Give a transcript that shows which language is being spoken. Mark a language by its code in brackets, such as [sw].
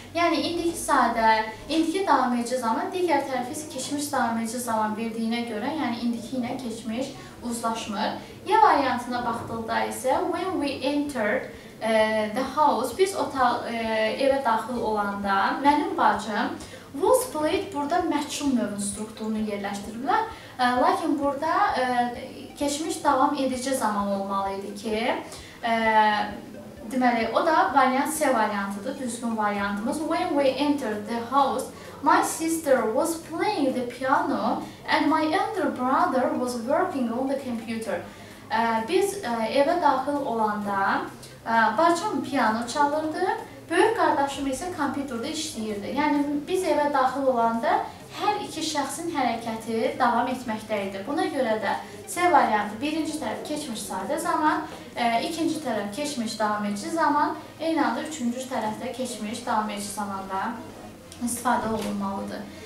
[az] Yəni, indiki sadə, indiki davam edici zaman, digər tərəfi isə keçmiş davam edici zaman verdiyinə görə, yəni indiki ilə keçmiş uzlaşmır. Y variantına baxdıqda isə, [en] when we entered the house, [az] biz evə daxil olanda, mənim bacım, [en] was played [az] burada məçhul növün strukturunu yerləşdiriblər. Lakin burada keçmiş davam edici zaman olmalıydı ki, deməli, o da variant C variantıdır, düzgün variantımız. [en] When we entered the house, my sister was playing the piano and my elder brother was working on the computer. [az] Biz evə daxil olanda bacım piano çalırdı, böyük qardaşım isə kompüterdə işləyirdi. Yəni, biz evə daxil olanda hər iki şəxsin hərəkəti davam etməkdə idi. Buna görə də C variantı birinci tərəf keçmiş sadə zaman, ikinci tərəf keçmiş davam edici zaman, eyni anda üçüncü tərəfdə keçmiş davam edici zamanda istifadə olunmalıdır.